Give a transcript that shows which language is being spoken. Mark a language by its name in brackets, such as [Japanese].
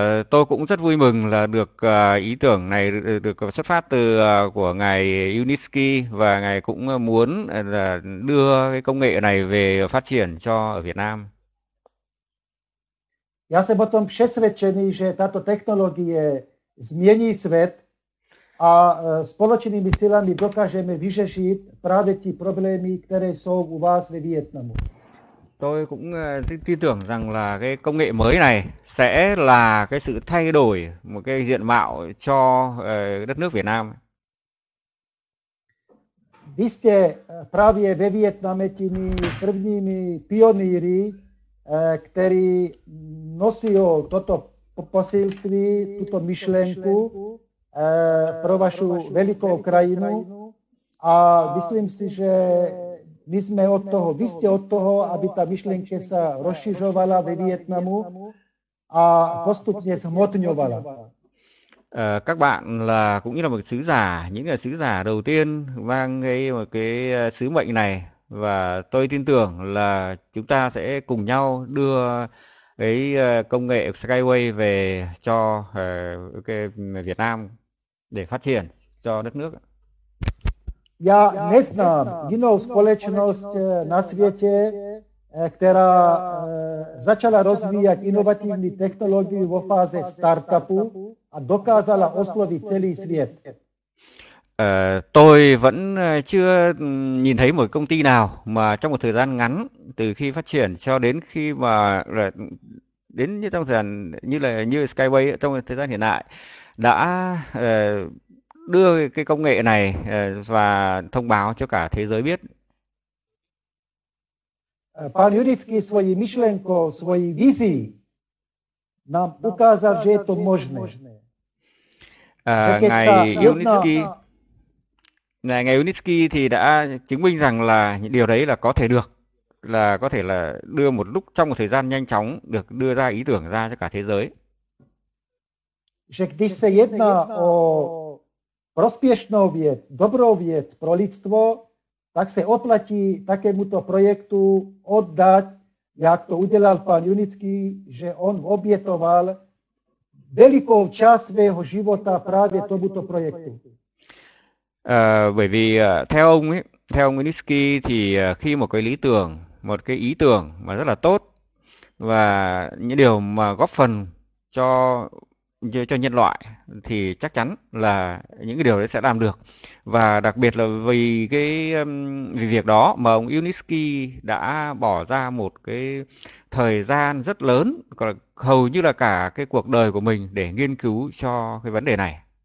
[Vietnamese] Tôi cũng rất vui mừng là được ý tưởng này được xuất phát từ của ngài Unitsky và ngài cũng muốn đưa cái công nghệ này về phát triển cho ở Việt Nam. [Czech] Já jsem o tom přesvědčený, že tato technologie změní svět a společnými silami dokážeme vyřešit právě ty problémy, které jsou u vás ve Vietnamu. [Vietnamese] Tôi cũng tin tưởng rằng là cái công nghệ mới này sẽ là cái sự thay đổi một cái diện mạo cho đất nước Việt Nam. [Czech] Vy jste právě ve Vietname těmi prvními pionýry, který nosil toto posilství, tuto myšlenku pro vašu velikou krajinu a myslím si, že my jsme od toho, vy jste od toho, aby ta myšlenka se rozšiřovala ve Vietnamu a postupně zhmotňovala. [Vietnamese] Các bạn là cũng như là một sứ giả, những sứ giả đầu tiên mang một cái sứ mệnh này. Và tôi tin tưởng là chúng ta sẽ cùng nhau đưa cái công nghệ Skyway về cho Việt Nam để phát triển cho đất nước. [Czech] Já neznám jinou společnost na světě, která začala rozvíjet inovativní technologii vo fáze startupu a dokázala oslovit celý svět. [Vietnamese] Tôi vẫn chưa nhìn thấy một công ty nào mà trong một thời gian ngắn từ khi phát triển cho đến khi mà đến như trong thời gian như Skyway trong thời gian hiện tại đã đưa cái công nghệ này và thông báo cho cả thế giới biết. [Czech] Pan Jurický svojí myšlenkou, svojí vizí nám ukázal, že je to možné. [Slovak] Že keď sa jedná... [Vietnamese] Ngài Unitsky thì đã chứng minh rằng là điều đấy là có thể được, là có thể là đưa một lúc trong một thời gian nhanh chóng được đưa ra ý tưởng ra cho cả thế giới. [Czech] Že když sa jedná o prospiešnou vec, dobrou vec pro lidstvo, tak se oplatí takémuto projektu oddať, jak to udělal pan Junický, že on obětoval velikou část svého života právě tomuto projektu. [Vietnamese] Bởi vì theo ông ấy, theo ông Minsky thì khi một cái lý tưởng, một cái ý tưởng mà rất là tốt và những điều mà góp phần cho nhân loại thì chắc chắn là những cái điều đấy sẽ làm được, và đặc biệt là vì cái vì việc đó mà ông Unitsky đã bỏ ra một cái thời gian rất lớn, hầu như là cả cái cuộc đời của mình để nghiên cứu cho cái vấn đề này.